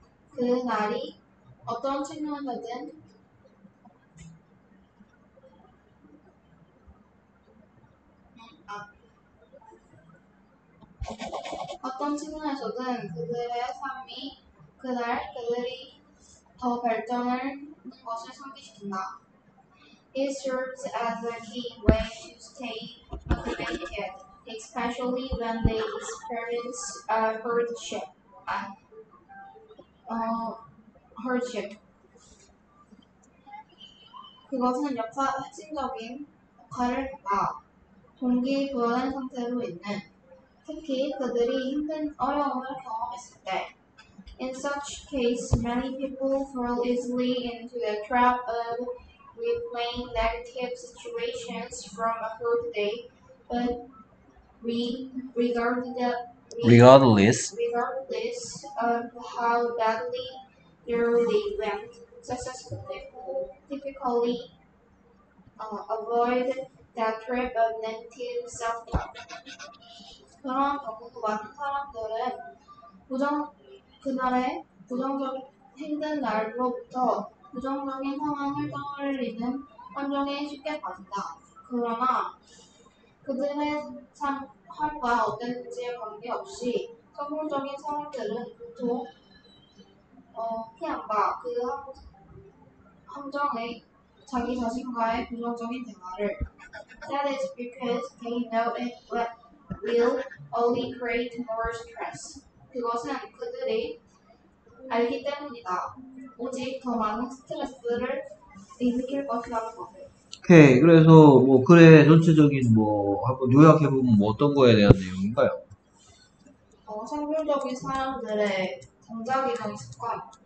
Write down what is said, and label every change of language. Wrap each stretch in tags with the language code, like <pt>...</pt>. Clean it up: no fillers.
<ko>그 날이 어떤 측면에서든 어떤 측면에서든 그들의 삶이 그날 그들이 더 발전하는 것을 상기시킨다.</ko> <en>It serves as a key way to stay motivated, especially when they experience a hardship. Hardship.</en> <ko>그것은 역사 핵심적인 역할을 한다. 동기부여된 상태로 있는 특히 그들이 힘든 어려움을 경험했을 때.</ko> <en>In such case, many people fall easily into the trap of replaying negative situations from a whole day, but Regardless. regardless of how badly they went, successful people typically avoid that trap of negative self-talk.</en> <ko>그런 경우도 많은 사람들은 그날의 부정적 힘든 날로부터 부정적인 상황을 떠올리는 환경에 쉽게 빠진다. 그러나 그들의 삶과 어땠는지에 관계없이 성공적인 사람들은 보통 피한다. 그 함정의 자기 자신과의 부정적인 대화를.</ko> <en>That is because they know it will only create more stress.</en> <ko>그것은 그들이 알기 때문이다. 오직 더 많은 스트레스를 일으킬 것이라고. 오케이. 그래서 뭐 글의 전체적인 뭐 한번 요약해 보면 뭐 어떤 거에 대한 내용인가요? 성공적인 사람들의 잠자기 전 습관.</ko>